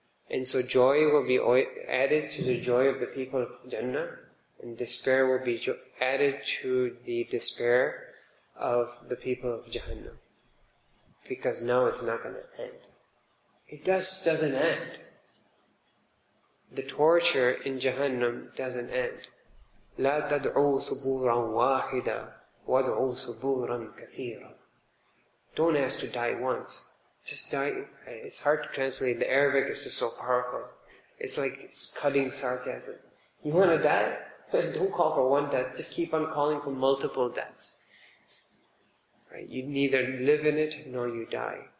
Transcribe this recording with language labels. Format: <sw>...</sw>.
<en>And so joy will be added to the joy of the people of Jannah, and despair will be added to the despair of the people of Jahannam. Because now it's not going to end. It just doesn't end. The torture in Jahannam doesn't end.</en> <ar>لَا تَدْعُوا ثُبُورًا وَاحِدًا وَادْعُوا ثُبُورًا كَثِيرًا.</ar> <en>Don't ask to die once. Just die. It's hard to translate. The Arabic is just so powerful. It's like it's cutting sarcasm. You want to die? Don't call for one death. Just keep on calling for multiple deaths. Right? You neither live in it nor you die.</en>